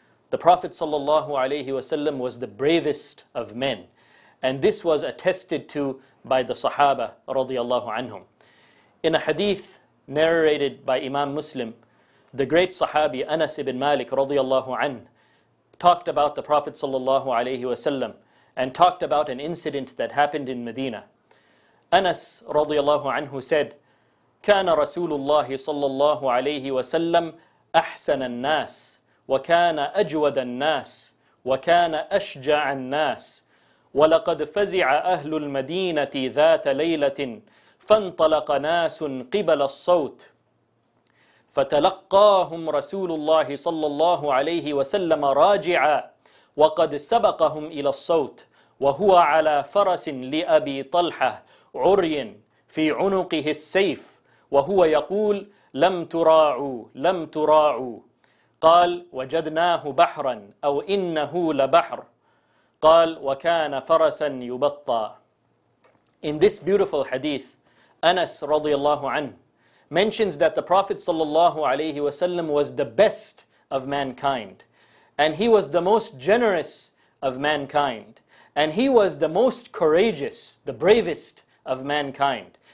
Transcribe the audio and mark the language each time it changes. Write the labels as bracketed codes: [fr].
[en] The Prophet sallallahu alayhi wa sallam was the bravest of men, and this was attested to by the Sahaba radiallahu anhum. In a hadith narrated by Imam Muslim, the great Sahabi Anas ibn Malik radiallahu an talked about the Prophet sallallahu alayhi wa sallam and talked about an incident that happened in Medina. [ar] Anas radiallahu anhu said, كان رسول الله صلى الله عليه وسلم أحسن الناس وكان أجود الناس وكان أشجع الناس ولقد فزع أهل المدينة ذات ليلة فانطلق ناس قبل الصوت فتلقاهم رسول الله صلى الله عليه وسلم راجعا وقد سبقهم إلى الصوت وهو على فرس لأبي طلحة عري في عنقه السيف وهو يقول لم تراعوا لم تراعوا قال وجدناه بحرا أو إنه لبحر قال وكان فرسا يبطى. [en] In this beautiful hadith, Anas رضي الله عنه mentions that the Prophet sallallahu alayhi wasallam was the best of mankind, and he was the most generous of mankind, and he was the most courageous, the bravest of mankind.